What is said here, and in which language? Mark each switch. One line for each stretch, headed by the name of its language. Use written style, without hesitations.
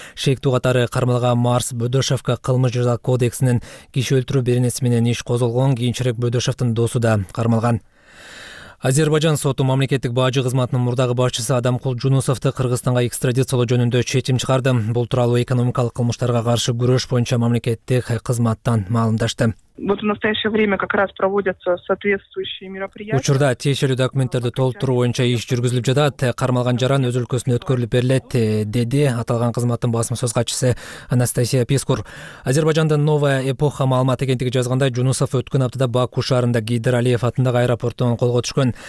Kyrgyz: Шектүү катары кармалган Марс Бөдөшевко кылмыш жаза кодексинин киши өлтүрүү беренеси менен иш козголгон. Кийинчерээк Бөдөшевтин досу да кармалган. Азербайжан соту мамлекеттик бажы кызматынын мурдагы башчысы Адамкул Жунусовду Кыргызстанга экстрадициялоо жөнүндө чечим чыгарды. Бул тууралуу экономикалык кылмыштарга каршы күрөш боюнча мамлекеттик кызматтан маалымдашты.
Russian: Вот в настоящее время как раз проводятся соответствующие мероприятия.
Kyrgyz: Учурда тиешелүү документтерди толтуруу боюнча иш жүргүзүлүп жатат. Кармалган жаран өз өлкөсүндө өткөрүлүп берилет, деди аталган кызматтын басма сөз катчысы Анастасия Пискур. Азербайжандын Новая эпоха маалымат агенттиги жазгандай, Жунусов өткөн аптада Баку шаарында Гейдералиев атындагы аэропорттон колго түшкөн.